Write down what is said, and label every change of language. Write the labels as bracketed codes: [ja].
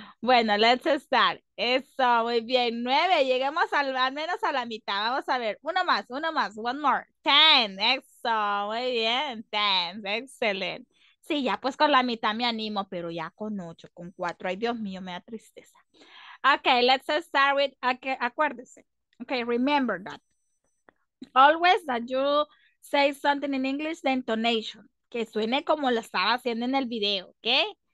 [es] Bueno, [en] let's start. [es] Eso, muy bien, 9, llegamos al menos a la mitad. Vamos a ver, uno más, [en] one more. [es] 10, eso, muy bien, 10, excelente. Sí, ya pues con la mitad me animo, pero ya con 8, con 4, ay Dios mío, me da tristeza. [en] Ok, let's start with, okay, [es] acuérdese. [en] Okay, remember that. Always that you say something in English, the intonation. [es] Que suene como lo estaba haciendo en el video, ¿ok?